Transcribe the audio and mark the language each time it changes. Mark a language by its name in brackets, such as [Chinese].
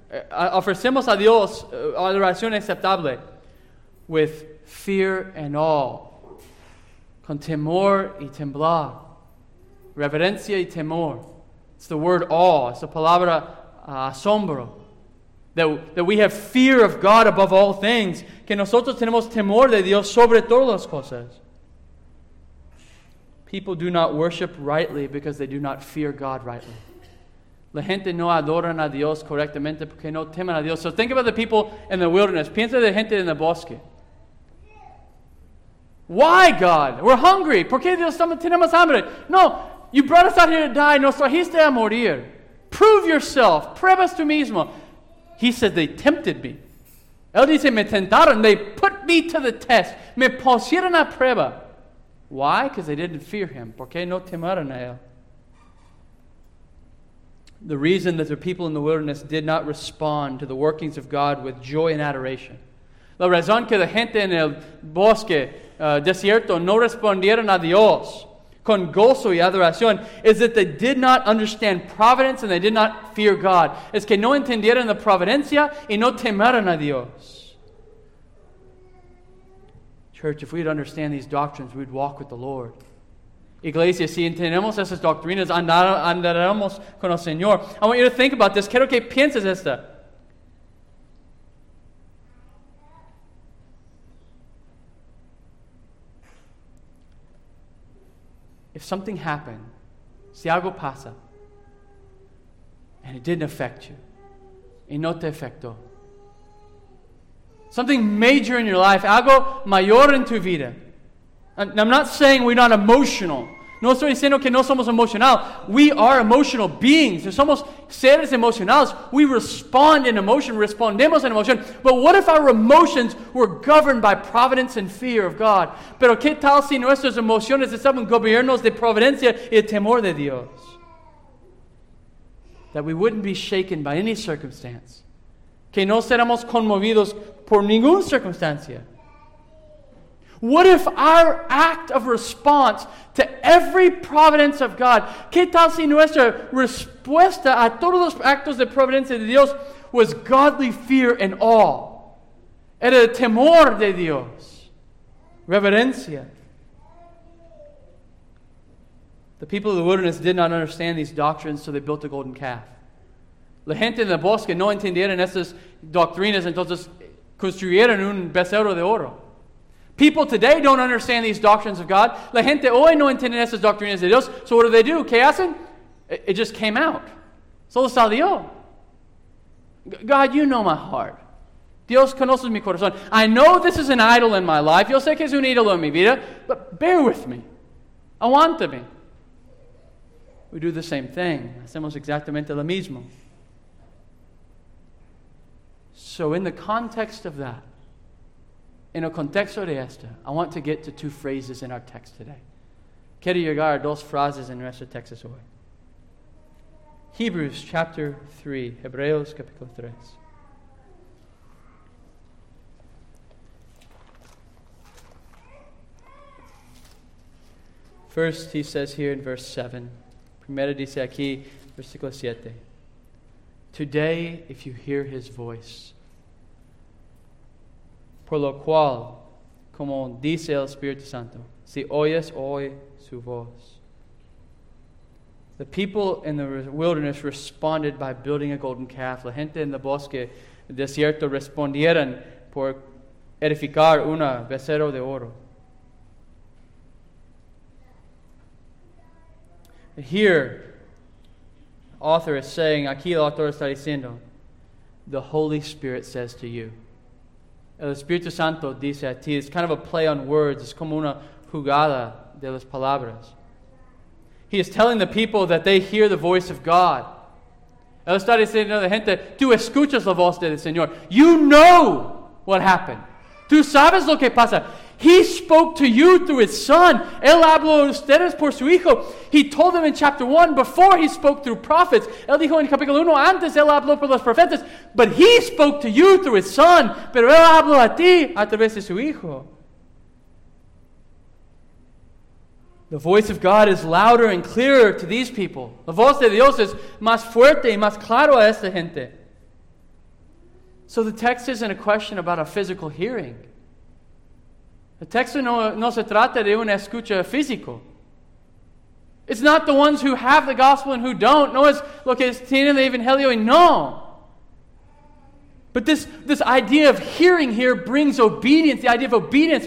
[Spanish] Ofrecemos a Dios adoración aceptable [English] with fear and awe, [Spanish] con temor y temblar, reverencia y temor. [English] It's the word awe. It's the [Spanish] palabra asombro. [English] That we have fear of God above all things. [Spanish] Que nosotros tenemos temor de Dios sobre todas las cosas. [English] People do not worship rightly because they do not fear God rightly. [Spanish] La gente no adoran a Dios correctamente porque no temen a Dios. [English] So think about the people in the wilderness. [Spanish] Piensa de gente en el bosque. [English] Why, God? We're hungry. [Spanish] ¿Por qué Dios tenemos hambre? [English] No. You brought us out here to die. [Spanish] Nos trajiste a morir. [English] Prove yourself. [Spanish] Pruebas tú mismo. [English] He said they tempted me. [Spanish] Él dice, me tentaron. [English] They put me to the test. [Spanish] Me pusieron a prueba. [English] Why? Because they didn't fear him. [Spanish] ¿Por qué no temaron a él? [English] The reason that the people in the wilderness did not respond to the workings of God with joy and adoration. [Spanish] La razón que la gente en el bosque, desierto, no respondieron a Dios con gozo y adoración, [English] is that they did not understand providence and they did not fear God. [Spanish] Es que no entendieron la providencia y no temeron a Dios. [English] Church, if we'd understand these doctrines, we'd walk with the Lord. [Spanish] Iglesia, si entendemos esas doctrinas, andaremos con el Señor. [English] I want you to think about this. [Spanish] Quiero que pienses esto. [English] If something happened, [Spanish] si algo pasa, [English] and it didn't affect you, [Spanish] y no te afectó. [English] Something major in your life, [Spanish] algo mayor en tu vida. [English] And I'm not saying we're not emotional. [Spanish] No estoy diciendo que no somos emocional. [English] We are emotional beings. [Spanish] Somos seres emocionales. [English] We respond in emotion, [Spanish] respondemos en emotion. [English] But what if our emotions were governed by providence and fear of God? [Spanish] Pero qué tal si nuestras emociones estaban gobiernos de providencia y el temor de Dios? [English] that we wouldn't be shaken by any circumstance. [Spanish] Que no seremos conmovidos por ninguna circunstancia. [English] What if our act of response to every providence of God, [Spanish] ¿qué tal si nuestra respuesta a todos los actos de providencia de Dios [English] was godly fear and awe? [Spanish] Era el temor de Dios. Reverencia. [English] The people of the wilderness did not understand these doctrines, so they built a golden calf. [Spanish] La gente en el bosque no entendieron esas doctrinas, entonces construyeron un becerro de oro. [English] People today don't understand these doctrines of God. [Spanish] La gente hoy no entiende esas doctrinas de Dios. [English] So what do? [Spanish] ¿Qué hacen? [English] It just came out. [Spanish] Solo salió. [English] God, you know my heart. [Spanish] Dios conoce mi corazón. [English] I know this is an idol in my life. [Spanish] Yo sé que es un ídolo en mi vida. [English] But bear with me. [Spanish] Aguántame. [English] We do the same thing. [Spanish] Hacemos exactamente lo mismo. [English] So in the context of that, [Spanish] en el contexto de esto, [English] I want to get to two phrases in our text today. [Spanish] Quiero llegar a dos frases en nuestro texto hoy. [English] Hebrews chapter 3, [Spanish] Hebreos capítulo 3. [English] First, he says here in verse 7, [Spanish] primero dice aquí, versículo 7, [English] today, if you hear his voice, [Spanish] por lo cual, como dice el Espíritu Santo, si oyes hoy su voz. [English] The people in the wilderness responded by building a golden calf. [Spanish] La gente en el bosque desierto respondieron por edificar una becerro de oro. [English] Here, the author is saying, [Spanish] aquí el autor está diciendo, [English] the Holy Spirit says to you. [Spanish] El Espíritu Santo dice a ti. [English] It's kind of a play on words. [Spanish] It's como una jugada de las palabras. [English] He is telling the people that they hear the voice of God. [Spanish] Él está diciendo a la gente, tú escuchas la voz del Señor. [English] You know what happened. [Spanish] Tú sabes lo que pasa. [English] He spoke to you through his son. [Spanish] Él habló a ustedes por su hijo. [English] He told them in chapter 1 before he spoke through prophets. [Spanish] Él dijo en capítulo 1 antes, él habló por los profetas. [English] But he spoke to you through his son. [Spanish] Pero él habló a ti a través de su hijo. [English] The voice of God is louder and clearer to these people. [Spanish] La voz de Dios es más fuerte y más claro a esta gente. [English] So the text isn't a question about a physical hearing. The text [Spanish] no se trata de una escucha físico. [English] It's not the ones who have the gospel and who don't. [Spanish] No es lo que tienen el evangelio y no. [English] But this idea of hearing here brings obedience, the idea of obedience.